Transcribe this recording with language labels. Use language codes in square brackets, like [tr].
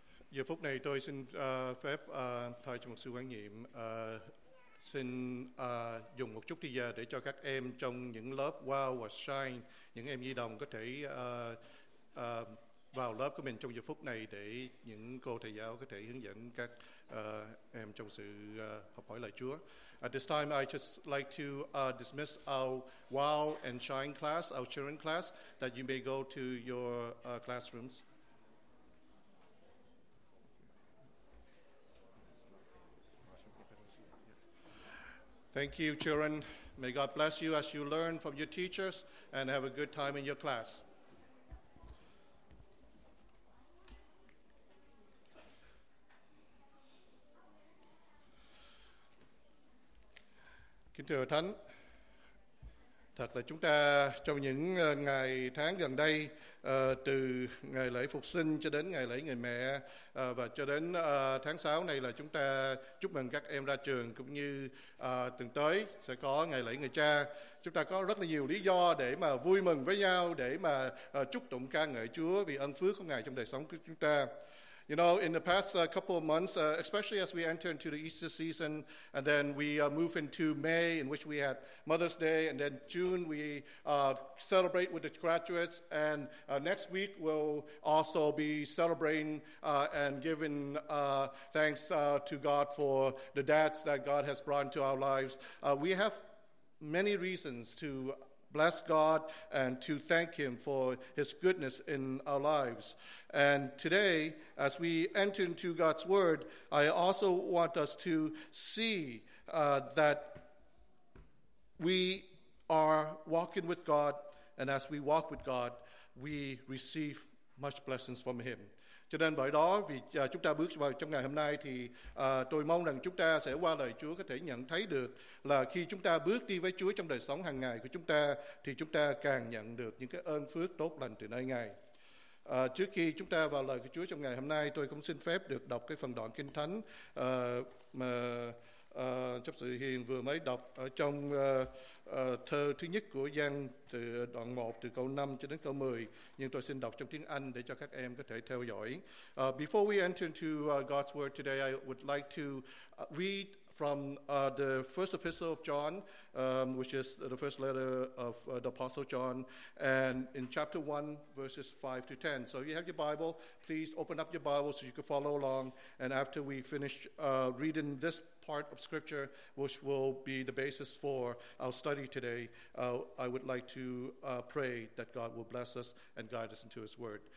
[vi] Giờ phút này tôi xin phép thay cho mục sư quán nhiệm xin dùng một chút thời gian để cho các em trong những lớp Wow và Shine, những em nhi đồng có thể vào lớp của mình trong giờ phút này để những cô thầy giáo có thể hướng dẫn các em trong sự học hỏi lời Chúa. [en] At this time, I just like to dismiss our Wow and Shine class, our children class, that you may go to your classrooms. Thank you, children. May God bless you as you learn from your teachers and have a good time in your class. [vi] Kính thưa Thánh, thật là chúng ta trong những ngày tháng gần đây, từ ngày lễ Phục sinh cho đến ngày lễ Người Mẹ và cho đến tháng 6 này, là chúng ta chúc mừng các em ra trường, cũng như tuần tới sẽ có ngày lễ Người Cha. Chúng ta có rất là nhiều lý do để mà vui mừng với nhau, để mà chúc tụng ca ngợi Chúa vì ân phước của Ngài trong đời sống của chúng ta. [en] You know, in the past couple of months, especially as we enter into the Easter season, and then we move into May, in which we had Mother's Day, and then June we celebrate with the graduates, and next week we'll also be celebrating and giving thanks to God for the dads that God has brought into our lives. We have many reasons to bless God and to thank Him for His goodness in our lives. And today, as we enter into God's Word, I also want us to see that we are walking with God, and as we walk with God, we receive much blessings from Him. [vi] Cho nên bởi đó, vì chúng ta bước vào trong ngày hôm nay thì tôi mong rằng chúng ta sẽ qua lời Chúa có thể nhận thấy được là khi chúng ta bước đi với Chúa trong đời sống hàng ngày của chúng ta, thì chúng ta càng nhận được những cái ơn phước tốt lành từ nơi Ngài. Trước khi chúng ta vào lời của Chúa trong ngày hôm nay, tôi cũng xin phép được đọc cái phần đoạn Kinh Thánh mà chấp sự Hiền vừa mới đọc ở trong thơ thứ nhất của Giăng, từ đoạn 1 từ câu 5 cho đến câu 10, nhưng tôi xin đọc trong tiếng Anh để cho các em có thể theo dõi. [en] Before we enter into God's Word today, I would like to read from the first epistle of John, which is the first letter of the Apostle John, and in chapter 1, verses 5 to 10. So if you have your Bible, please open up your Bible so you can follow along, and after we finish reading this part of Scripture, which will be the basis for our study today, I would like to pray that God will bless us and guide us into His Word.